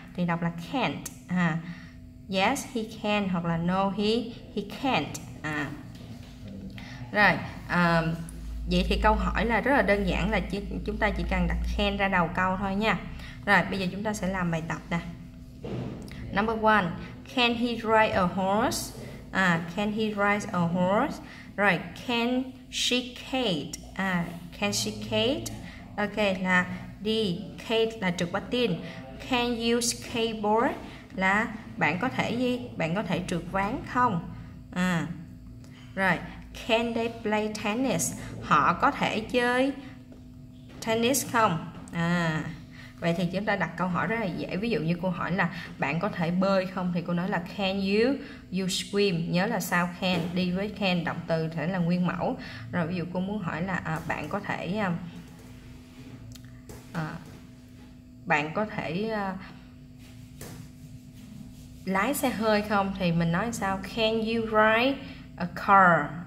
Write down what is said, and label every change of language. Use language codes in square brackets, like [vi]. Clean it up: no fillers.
[vi] Thì đọc là can't ha. [en] Yes he can, [vi] hoặc là [en] no he can't. [vi] Rồi, vậy thì câu hỏi là rất là đơn giản, là chúng ta chỉ cần đặt can ra đầu câu thôi nha. Rồi, bây giờ chúng ta sẽ làm bài tập nè. [en] Number one, can he ride a horse? Can he ride a horse? Rồi, can she skate? Can she skate? [vi] Ok, là đi. Skate là trượt patin. [en] Can you skateboard? [vi] Là bạn có thể gì? Bạn có thể trượt ván không? [en] Rồi, can they play tennis? [vi] Họ có thể chơi tennis không? Vậy thì chúng ta đặt câu hỏi rất là dễ. Ví dụ như cô hỏi là bạn có thể bơi không, thì cô nói là [en] can you swim. [vi] Nhớ là sao can, đi với can, động từ thể là nguyên mẫu. Rồi ví dụ cô muốn hỏi là bạn có thể bạn có thể lái xe hơi không, thì mình nói sao, [en] can you ride a car.